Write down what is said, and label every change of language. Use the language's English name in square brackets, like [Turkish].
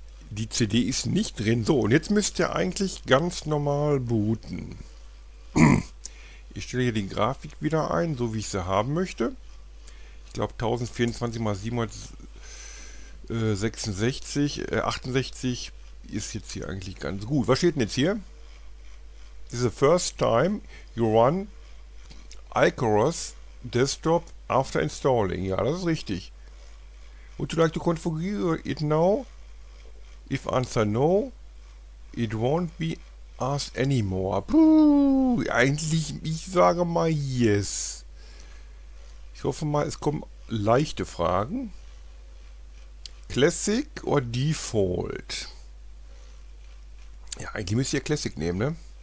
[German] Die CD ist nicht drin. So, und jetzt müsst ihr eigentlich ganz normal booten. Ich stelle hier die Grafik wieder ein, so wie ich sie haben möchte. Ich glaube 1024x768 ist jetzt hier eigentlich ganz gut. Was steht denn jetzt hier? [English] This is the first time you run Icarus Desktop after installing. [German] Ja, das ist richtig. [English] Would you like to configure it now? If answer no, it won't be asked anymore. [German] Puh, eigentlich, ich sage mal yes. Ich hoffe mal, es kommen leichte Fragen. [English] Classic or Default? [German] Ja, eigentlich müsste ich ja Classic nehmen, ne?